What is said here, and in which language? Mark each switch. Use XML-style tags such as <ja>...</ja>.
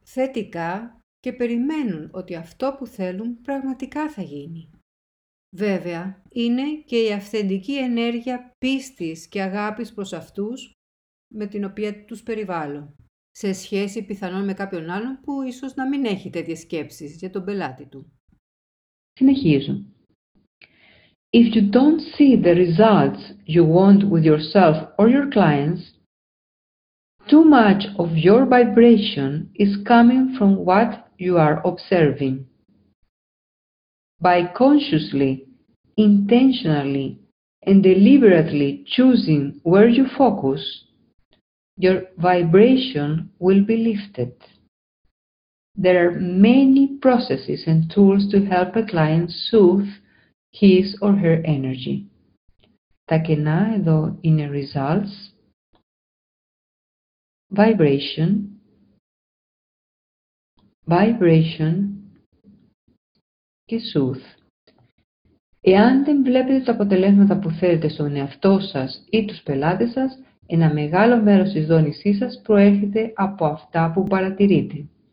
<el>θετικά και περιμένουν ότι αυτό που θέλουν πραγματικά θα γίνει. Βέβαια, είναι και η αυθεντική ενέργεια πίστης και αγάπης προς αυτούς με την οποία τους περιβάλλω. σε σχέση πιθανόν με κάποιον άλλον που ίσως να μην έχει τέτοιες σκέψεις για τον πελάτη του. Συνεχίζω.</el> <en>If you don't see the results you want with yourself or your clients, too much of your vibration is coming from what you are observing. By consciously, intentionally, and deliberately choosing where you focus, your vibration will be lifted. There are many processes and tools to help a client soothe his or her energy.</en> <el>Τα κενά εδώ είναι results, vibration, vibration και soothe. Εάν δεν βλέπετε τα αποτελέσματα που θέλετε στον εαυτό σας ή τους πελάτες σας, ένα μεγάλο μέρος της δόνησής σας προέρχεται από αυτά που παρατηρείτε.</el>